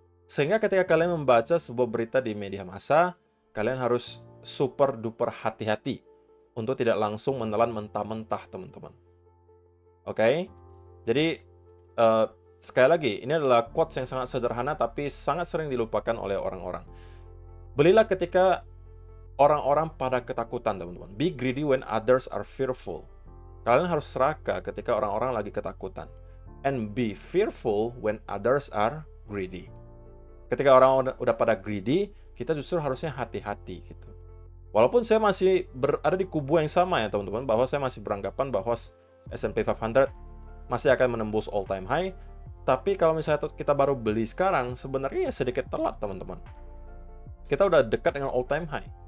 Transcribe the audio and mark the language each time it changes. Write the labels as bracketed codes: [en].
[id] Sehingga ketika kalian membaca sebuah berita di media massa, kalian harus super duper hati-hati untuk tidak langsung menelan mentah-mentah, teman-teman. Oke? Jadi, sekali lagi, ini adalah quotes yang sangat sederhana tapi sangat sering dilupakan oleh orang-orang. Belilah ketika orang-orang pada ketakutan, teman-teman. [en] Be greedy when others are fearful. [id] Kalian harus serakah ketika orang-orang lagi ketakutan. [en] And be fearful when others are greedy. [id] Ketika orang udah pada greedy, kita justru harusnya hati-hati gitu. Walaupun saya masih berada di kubu yang sama ya, teman-teman, bahwa saya masih beranggapan bahwa S&P 500 masih akan menembus all time high, tapi kalau misalnya kita baru beli sekarang, sebenarnya sedikit telat, teman-teman. Kita udah dekat dengan all time high.